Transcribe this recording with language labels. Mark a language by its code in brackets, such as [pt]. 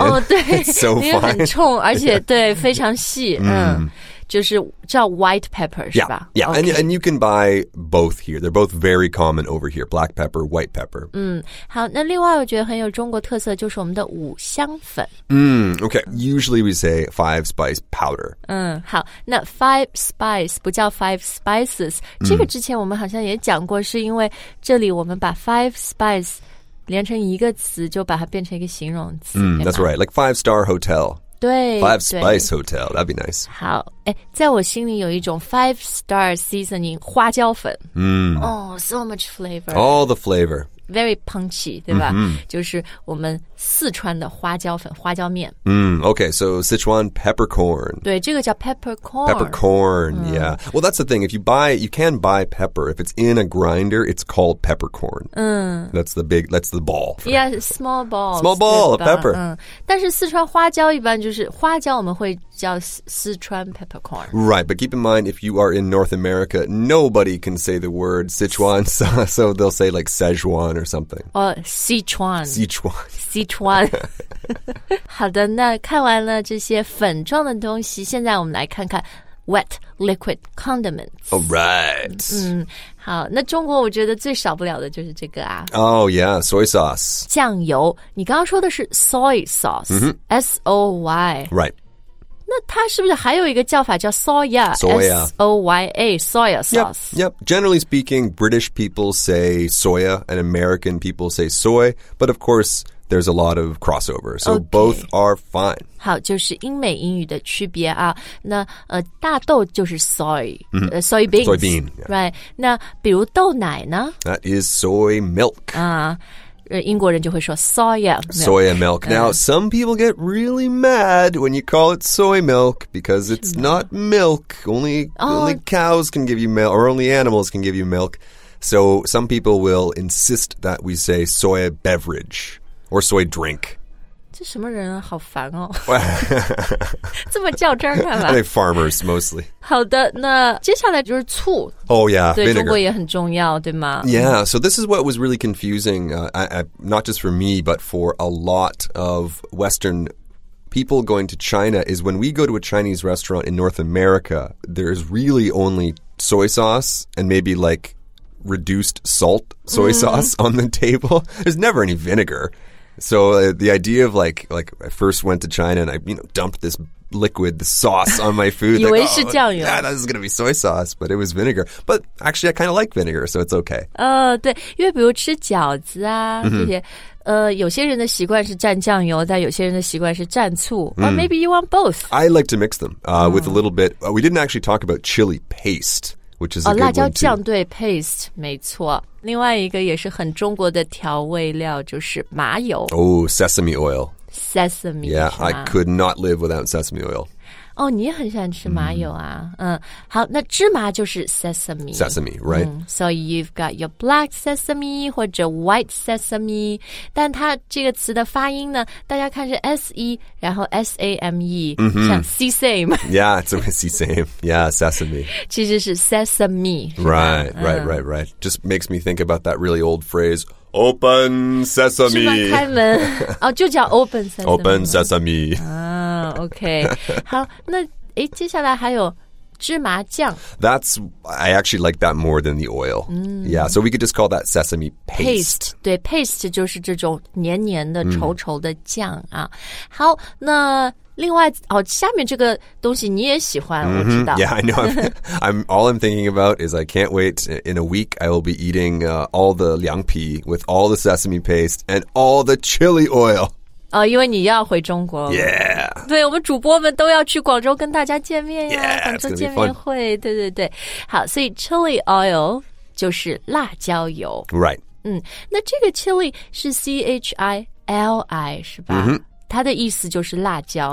[zh] Oh, 对 [en] It's so fine. [zh] 因为很冲而且 对非常细、 mm. 就是叫 [en] white pepper, [zh] 是吧 [en] Yeah, yeah.、 Okay. And you can buy both here. They're both very common over here, black pepper, white pepper. [zh] 嗯，好，那另外我觉得很有中国特色就是我们的五香粉。 [en] Okay, usually we say five spice powder. [zh] 嗯，好，那 [en] five spice [zh] 不叫 [en] five spices. [zh] 这个之前我们好像也讲过，是因为这里我们把 [en] five spice [zh] 连成一个词，就把它变成一个形容词。 [en] That's right, like five star hotel. [zh] 对 [en] Five Spice Hotel, that'd be nice. [zh] 好，哎，在我心里有一种 [en] Five Star Seasoning [zh] 花椒粉。 [en] Oh, so much flavor. All the flavor. Very punchy, [zh] 对吧？ Mm-hmm. 就是我们四川的花椒粉，花椒面。 [en] Okay, so Sichuan peppercorn. [zh] 对，这个叫 peppercorn. [en] Peppercorn, yeah. Well, that's the thing. You can buy pepper. If it's in a grinder, it's called peppercorn. 嗯。 That's the ball. Yeah, small ball. Small ball of pepper. [zh] 嗯，但是四川花椒一般就是花椒，我们会叫四川 peppercorn. [en] Right, but keep in mind, if you are in North America, nobody can say the word Sichuan, so they'll say like Szechuan or something. Oh, Sichuan. Sichuan. Sichuan. [zh] 好的，那看完了这些粉状的东西，现在我们来看看 [en] wet liquid condiments. All right. [zh] 好，那中国我觉得最少不了的就是这个啊。 [en] Oh yeah, soy sauce. [zh] 酱油，你刚刚说的是 soy sauce,、 mm-hmm. [en] S-O-Y. Right. [zh] 它是不是还有一个叫法叫 soya? [en] Soya. S-O-Y-A, soya sauce. Yep, yep. Generally speaking, British people say soya and American people say soy, but of course, there's a lot of crossover. So、 okay. both are fine. [zh] 好，就是英美英语的区别啊。那大豆就是 soy,、 mm-hmm. [en] soybeans. Soybean.、Yeah. Right. [zh] 那比如豆奶呢? [en] That is soy milk. [zh] 啊、英国人就会说 [en] soya milk. Soya milk. Now, some people get really mad when you call it soy milk because it's not milk. Only cows can give you milk, or only animals can give you milk. So some people will insist that we say soy beverage or soy drink. [zh] 这什么人啊好烦哦这么较真干嘛 [en] I think farmers mostly [zh] 好的那接下来就是醋 [en] Oh yeah [zh] 对、 [en] Vinegar. [zh] 中国也很重要对吗 [en] Yeah so this is what was really confusing not just for me but for a lot of western people going to China is when we go to a Chinese restaurant in North America there's really only soy sauce and maybe like reduced salt soy sauce on the table there's never any vinegarSo the idea of like I first went to China and I, you know, dumped this liquid, the sauce on my food. [zh] 以为是酱油。 [en] Yeah, this is going to be soy sauce, but it was vinegar. But actually, I kind of like vinegar, so it's okay. [zh] 对，因为比如吃饺子啊、mm-hmm. 这些，有些人的习惯是蘸酱油，但有些人的习惯是蘸醋。 [en] Or maybe you want both. I like to mix them with a little bit. We didn't actually talk about chili paste. Which is a good [zh] one, 辣椒酱对 paste 没错另外一个也是很中国的调味料就是麻油 [en] Oh, sesame oil Sesame Yeah, I could not live without sesame oil [zh] 哦、你很喜欢吃麻油啊、好那芝麻就是 sesame [en] Sesame, right、 So you've got your black sesame [zh] 或者 [en] white sesame [zh] 但它这个词的发音呢大家看是 S-E 然后 S-A-M-E、 mm-hmm. 像 C-same [en] Yeah, it's always C-same Yeah, sesame [zh] 其实是 sesame [en] Right, right, right, right Just makes me think about that really old phrase Open sesame [zh] 是吗开门哦，就叫 [en] open sesame Open sesame [zh] OK, 好，那诶，接下来还有芝麻酱。 [en] That's, I actually like that more than the oil.、Yeah, so we could just call that sesame paste. [zh] Paste, 对 ,paste 就是这种黏黏的稠稠的酱啊。好，那另外哦，下面这个东西你也喜欢、我知道。 [en] Yeah, I know. All I'm thinking about is I can't wait. In a week, I will be eating、all the 凉皮 with all the sesame paste and all the chili oil. [zh] 因为你要回中国了。 [en] Yeah. [zh] 对，我们主播们都要去广州跟大家见面呀， [en] yeah, [zh] 广州见面会。对对对，好，所以 chili oil 就是辣椒油。 [en] Right. [zh] 那这个 chili 是 C-H-I-L-I 是吧？ Mm-hmm. 它的意思就是辣椒。